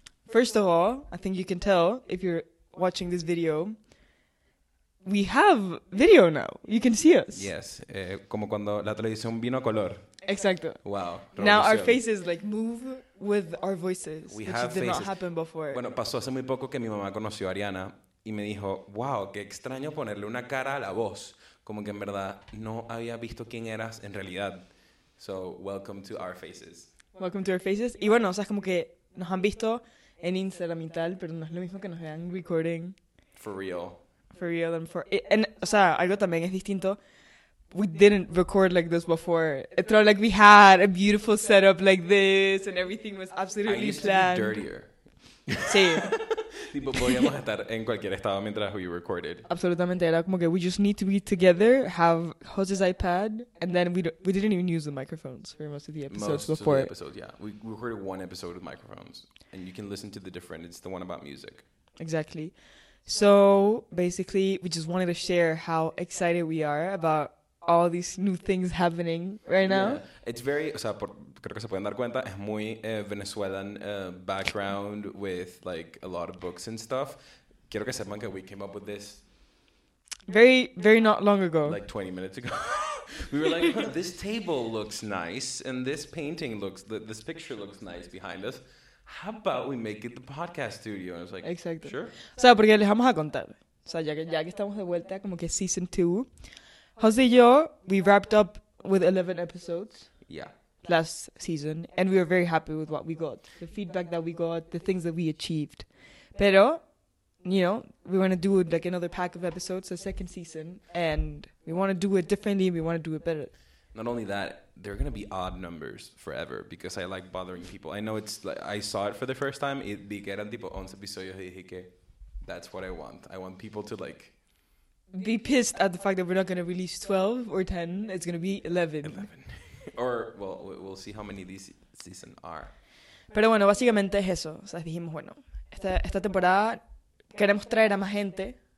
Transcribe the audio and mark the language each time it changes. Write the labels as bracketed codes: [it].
[en] First of all, I think you can tell if you're watching this video, we have video now. You can see us. Yes. [es] Como cuando la televisión vino a color. Exacto. Wow. Revolución. [en] Now our faces like move with our voices, which did not happen before. [es] Bueno, pasó hace muy poco que mi mamá conoció a Ariana y me dijo, wow, qué extraño ponerle una cara a la voz. Como que en verdad no había visto quién eras en realidad. [en] So, welcome to our faces. Welcome to our faces. [es] Y bueno, o sea, como que nos han visto en Instagram y tal, pero no es lo mismo que nos vean recording. [en] For real. [es] O sea, algo también es distinto. [en] We didn't record like this before. It's not like we had a beautiful setup like this and everything was absolutely planned. I used to be dirtier. [es] Sí. Tipo, podíamos estar en cualquier estado mientras [en] we recorded. [es] Absolutamente. Era como que [en] we just need to be together, have Jose's iPad, and then we didn't even use the microphones for most of the episodes most before. Most of the episodes, yeah. We recorded one episode with microphones, and you can listen to the different. It's the one about music. Exactly. So, basically, we just wanted to share how excited we are about all these new things happening right now. Yeah. It's very, [es] o sea, creo que se pueden dar cuenta, es muy [en] Venezuelan background with like a lot of books and stuff. [es] Quiero que sepan que [en] we came up with this very, very not long ago. Like 20 minutes ago. We were like, oh, this table looks nice and this painting looks, this picture looks nice behind us. How about we make it the podcast studio? And I was like, exactly. Sure. [es] O sea, porque les vamos a contar. O sea, ya que estamos de vuelta, como que season 2. Jose y yo, [en] we wrapped up with 11 episodes last season, and we were very happy with what we got, the feedback that we got, the things that we achieved. Pero, you know, we want to do like another pack of episodes, the second season, and we want to do it differently, we want to do it better. Not only that, they're going to be odd numbers forever, because I like bothering people. I know it's like, I saw it for the first time, it [es] vi que eran tipo 11 episodios, y dije que [en] that's what I want. I want people to like be pissed at the fact that we're not going to release 12 or 10. It's going to be 11. Or, well, we'll see how many these season are. [es] Pero bueno, básicamente es eso. O sea, dijimos, bueno, esta temporada queremos traer a más gente.